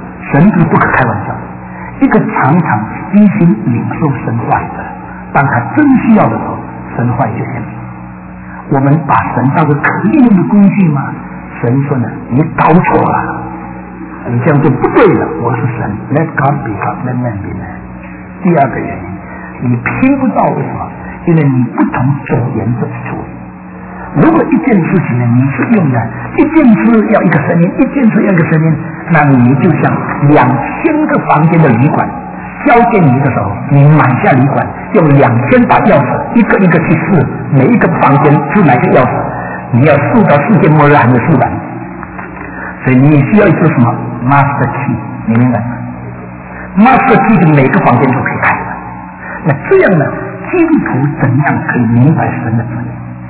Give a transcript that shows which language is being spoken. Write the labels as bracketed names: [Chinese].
[Chinese] 神是不可开玩笑，一个常常一心领受神话语的，当他真需要的时候，神话就显明。我们把神当作可以用的工具吗？神说呢，你搞错了，你这样就不对了。我是神 ， [English] Let God be God, let man be man。 [Chinese] 第二个原因，你听不到为什么？因为你不从所言之处。如果一件事情呢，你是用的，一件事要一个声音，一件事要一个声音，那你就像2000个房间的旅馆，交给你的时候，你买下旅馆，用2000把钥匙，一个一个去试，每一个房间去买个钥匙，你要试到世界末日还没试完，所以你需要一个什么 master key， 你明白吗 ？master key 是每个房间都可以开的，那这样呢，基督徒怎样可以明白神的旨意？